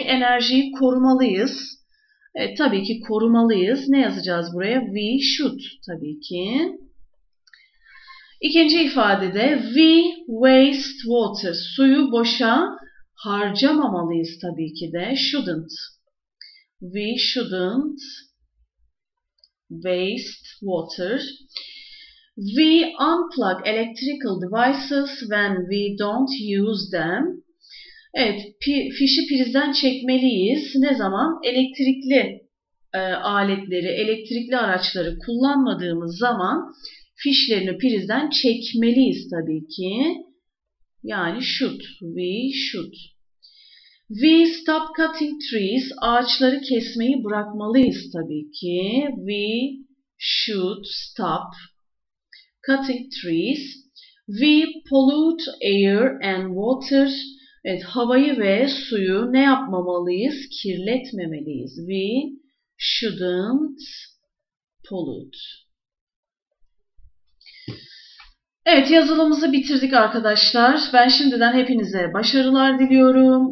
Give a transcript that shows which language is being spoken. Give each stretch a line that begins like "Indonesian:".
Turkish: Enerjiyi korumalıyız. Evet, tabii ki korumalıyız. Ne yazacağız buraya?
English: We should
Turkish: tabii ki. İkinci ifadede
English: we waste water.
Turkish: Suyu boşa harcamamalıyız tabii ki de.
English: Shouldn't. We shouldn't waste water. We unplug electrical devices when we don't use them.
Turkish: Evet, fişi prizden çekmeliyiz. Ne zaman? Elektrikli aletleri, elektrikli araçları kullanmadığımız zaman fişlerini prizden çekmeliyiz tabii ki.
English: Yani should, we should. We stop cutting trees.
Turkish: Ağaçları kesmeyi bırakmalıyız tabii ki.
English: We should stop cutting trees. We pollute air and water.
Turkish: Evet, havayı ve suyu ne yapmamalıyız? Kirletmemeliyiz.
English: We shouldn't pollute.
Turkish: Evet, yazılımımızı bitirdik arkadaşlar. Ben şimdiden hepinize başarılar diliyorum.